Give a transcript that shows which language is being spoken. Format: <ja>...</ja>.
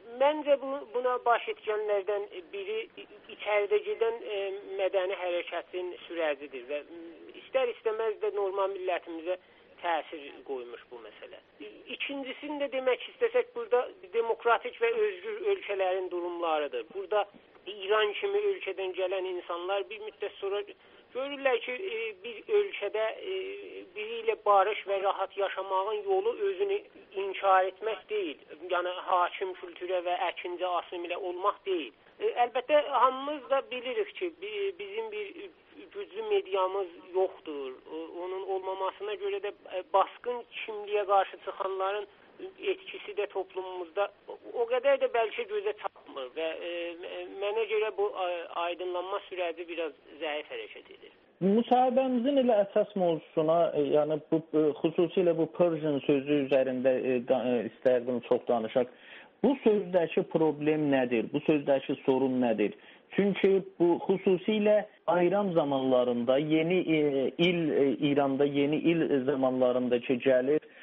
<az>Məncə buna baş etkənlərdən biri içəridə gedən mədəni hərəkətin sürəcidir və istər-istəməz də normal millətimizə təsir qoymuş bu məsələ. İkincisini də demək istəsək, burada demokratik və özgür ölkələrin durumlarıdır. Burada İran kimi ölkədən gələn insanlar bir müddət sonra</az> <tr>görürler ki bir ülkede biriyle barış ve rahat yaşamanın yolu özünü inşa etmek değil, yani hakim kültüre ve ekinci asimile olmak değil.</tr> <az>Elbette hamımız da bilirik ki bizim bir güclü medyamız yoxdur.</az> <tr>Onun olmamasına göre de baskın kimliğe karşı çıkanların etkisi de toplumumuzda o kadar da belki göze çarpmır ve mene göre bu aydınlanma süreci biraz zayıf hareket edir.</tr> <az>Müsahibemizin ilə əsas mövzusuna, yani bu xüsusilə bu Persian sözü üzərində istərdim çox danışaq. Bu sözdəki problem nədir? Bu sözdəki sorun nədir? Çünki bu xüsusilə ayram zamanlarında, yeni il İranda yeni il zamanlarındakı gəlir.</az>